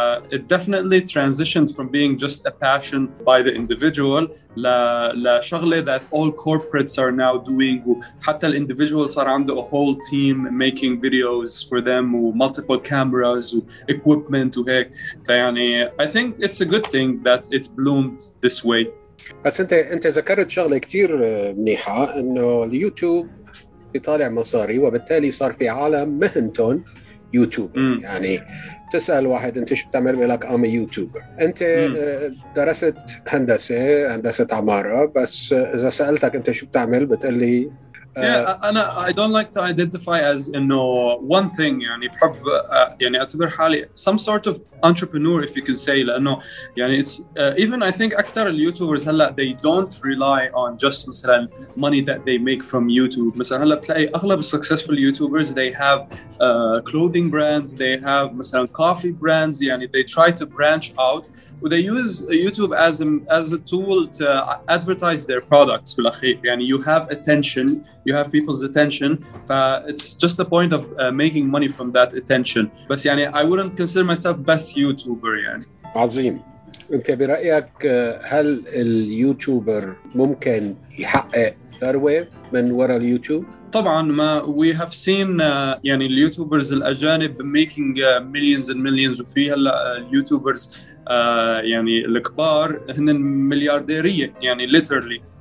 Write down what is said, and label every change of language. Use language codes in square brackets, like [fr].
[en] It definitely transitioned from being just a passion by the individual لشغلة that all corporates are now doing. حتى ال individual [ar] صار عنده [en] a whole team making videos for them و multiple cameras و equipment و هيك. فيعني I think it's a good thing that it bloomed this way. [ar] بس انت ذكرت شغلة كتير منيحة، انه اليوتيوب بيطالع مصاري وبالتالي صار في عالم مهنتون يوتيوب. يعني تسأل واحد انت شو بتعمل، بيقول لك [en] I'm a YouTuber. [ar] انت درست هندسة عمارة، بس اذا سألتك انت شو بتعمل بتقول لي [en] انا I don't like to identify as one thing. [ar] يعني بحب يعني اعتبر حالي [en] some sort of entrepreneur if you can say، لانه يعني it's even I think [ar] اكثر اليوتيوبرز هلا [en] they don't rely on just مثلا money that they make from YouTube. [ar] مثلا هلا بتلاقي اغلب [en] successful YouTubers they have clothing brands، they have مثلا coffee brands. يعني they try to branch out و they use YouTube as a tool to advertise their products. بالأخير يعني you have attention، you have people's attention. It's just the point of making money from that attention. بس يعني I wouldn't consider myself best YouTuber يعني. [ar] عظيم. أنت برأيك هل اليوتيوبر ممكن يحقق ثروة من وراء اليوتيوب؟ طبعاً ما [en] we have seen [ar] يعني اليوتيوبرز الأجانب [en] making millions and millions، [ar] وفي هلا اليوتيوبرز يعني الكبار هن مليارديرية يعني literally.